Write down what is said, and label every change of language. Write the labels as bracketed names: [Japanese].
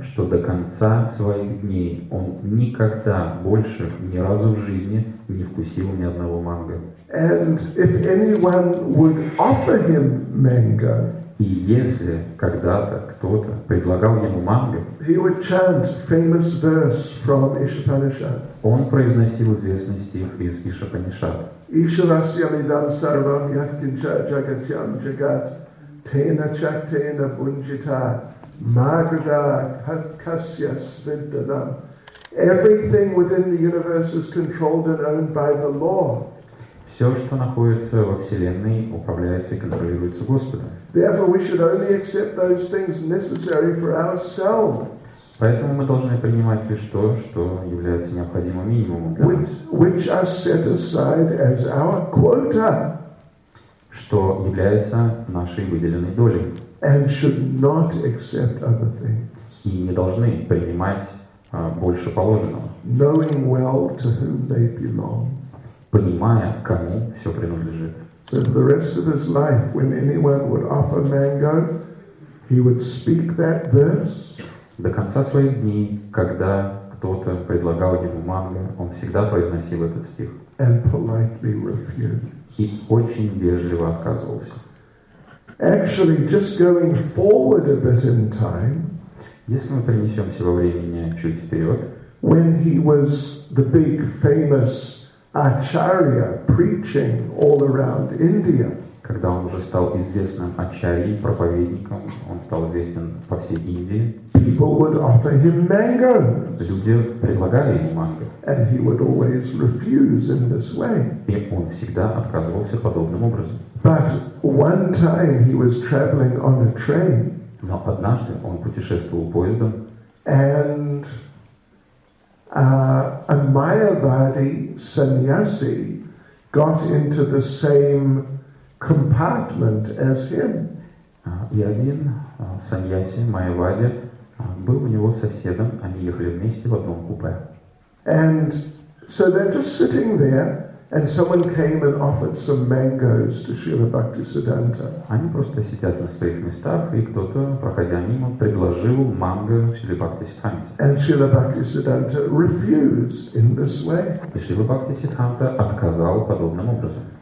[Russian] Что до конца своих дней он никогда больше ни разу в жизни не вкусил ни одного манго. [English] And if anyone would offer him mango, [Russian] и если когда-то кто-то предлагал ему манго, [English] he would chant famous verse from Ishapanishad. [Russian] Он произносил известный стих из Ишапанишад. [Sanskrit] Ишварасья мидам сарвам яхкинча джагатьям джагат тена чактена бунджита магрда кхасья свиддадам. [English] Everything within the universe is controlled and owned by the Lord. [Russian] Все, что находится во Вселенной, управляется и контролируется Господом. [English] Therefore, we should only accept those things necessary for ourselves. [Russian] Поэтому мы должны принимать лишь то, что является необходимым минимумом для нас. [English] Which are set aside as our quota. [Russian] Что является нашей выделенной долей. [English] And should not accept other things. [Russian] И не должны принимать больше положенного. [English] Knowing well to whom they belong. [Russian] Понимая, кому все принадлежит. [English] So for the rest of his life, when anyone would offer mango, he would speak that verse. [Russian] До конца своих дней, когда кто-то предлагал ему манго, он всегда произносил этот стих. [English] And politely refused. [Russian] И очень вежливо отказывался. [English] Actually, just going forward a bit in time, [Russian] если мы перенесемся во времени чуть вперед, [English] when he was the big famous acharya preaching all around India, [Russian] когда он уже стал известным ачарьей, проповедником, он стал известен по всей Индии, [English] people would offer him mango. [Russian] Люди предлагали ему манго. [English] And he would always refuse in this way. [Russian] И он всегда отказывался подобным образом. [English] But one time he was traveling on a train. [Russian] Но однажды он путешествовал поездом. [English] And a Mayavadi sannyasi got into the same compartment as him. [Russian] И один саньяси, майявади, был у него соседом, они ехали вместе в одном купе. [English] And so they're just sitting there, and someone came and offered some mangoes to Srila Bhaktisiddhanta. [Russian] Они просто сидят на своих местах, и кто-то, проходя мимо, предложил манго Шриле Бхактисиддханте. [English] And Srila Bhaktisiddhanta refused in this way. [Russian] И Шрила Бхактисиддханта отказал подобным образом.